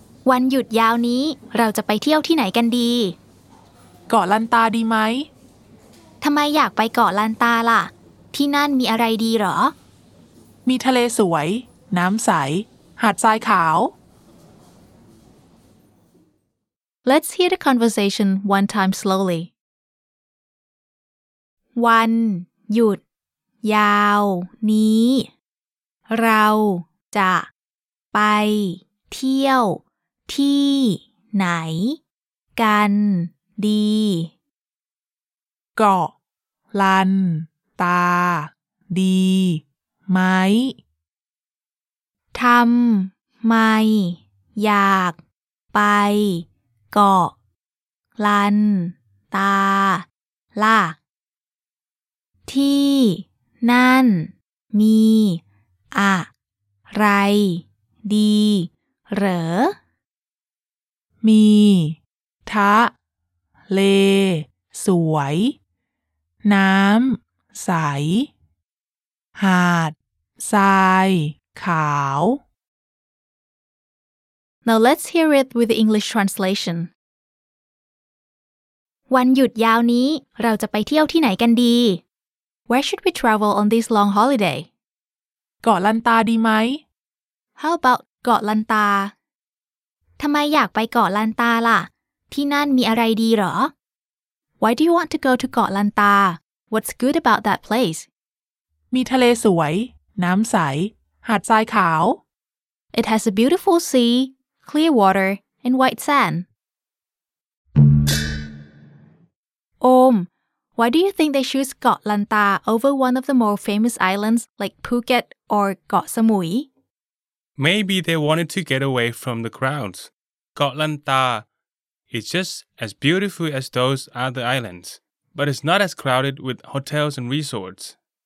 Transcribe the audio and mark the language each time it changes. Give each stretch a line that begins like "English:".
Thai: วันหยุดยาวนี้เราจะไปเที่ยวที่ไหนกันดี เกาะลันตาดีไหม ทำไมอยากไปเกาะลันตาล่ะที่นั่นมีอะไรดีหรอ มีทะเลสวยน้ำใสหาดทรายขาว
English: Let's hear the conversation one time slowly.
Thai: วันหยุดยาวนี้เราจะไปเที่ยวที่ไหนกันดี เกาะลันตาดีไหม ทำไมอยากไปเกาะลันตาล่ะที่นั่นมีอะไรดีเหรอ มีทะเลสวยน้ำใสหาดทรายขาว
English: Now let's hear it with the English translation.
Thai: วันหยุดยาวนี้เราจะไปเที่ยวที่ไหนกันดี
English: Where should we travel on this long holiday?
Thai: เกาะลันตาดีไหม
English: How about เกาะลันตา
Thai: ทำไมอยากไปเกาะลันตาล่ะที่นั่นมีอะไรดีหรอ
English: Why do you want to go to เกาะลันตา What's good about that place?
Thai: มีทะเลสวยน้ำใสหาดทรายขาว
English: It has a beautiful sea. Clear water and white sand. Om, why do you think they choose Koh Lanta over one of the more famous islands like Phuket or Koh Samui? Maybe they wanted to get away from the crowds. Koh Lanta is just as beautiful as those other islands, but it's not as crowded with hotels and resorts.